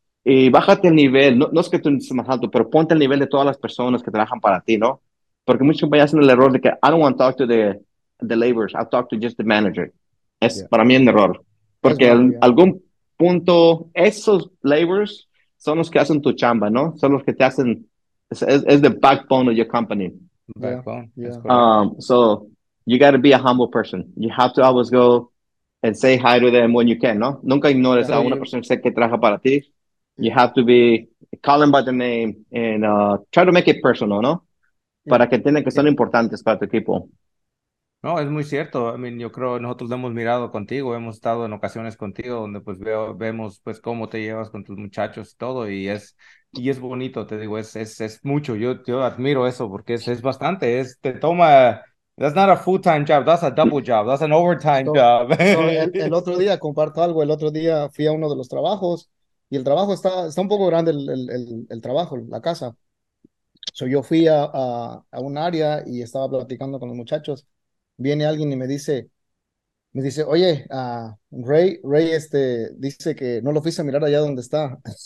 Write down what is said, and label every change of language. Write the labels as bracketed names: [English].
[Spanish] Y bájate el nivel, no es que tú seas más alto, pero ponte el nivel de todas las personas que trabajan para ti, ¿no? Porque muchas compañías hacen el error de que [English] I don't want to talk to the laborers, I'll talk to just the manager. [Spanish] Es para mí un error. Porque en algún punto, esos laborers son los que hacen tu chamba, ¿no? Son los que te hacen, es [English] the backbone of your company. Backbone. So, you got to be a humble person. You have to always go and say hi to them when you can, ¿no? [Spanish] Nunca ignores a una persona que trabaja para ti. [English] You have to be, call them by the name and try to make it personal, ¿no? [Spanish] Para que tengan que son importantes para tu equipo. No, es muy cierto. [English] I mean, [Spanish] yo creo nosotros lo hemos mirado contigo. Hemos estado en ocasiones contigo donde pues vemos pues cómo te llevas con tus muchachos y todo. Y es bonito, te digo, es mucho. Yo admiro eso porque es bastante. Te toma, [English] that's not a full-time job, that's a double job, that's an overtime job. [Spanish] El otro día, comparto algo, el otro día fui a uno de los trabajos y el trabajo está un poco grande, el trabajo, la casa. So yo fui a un área y estaba platicando con los muchachos. Viene alguien y me dice, oye, Ray, dice que no lo fuiste a mirar allá donde está.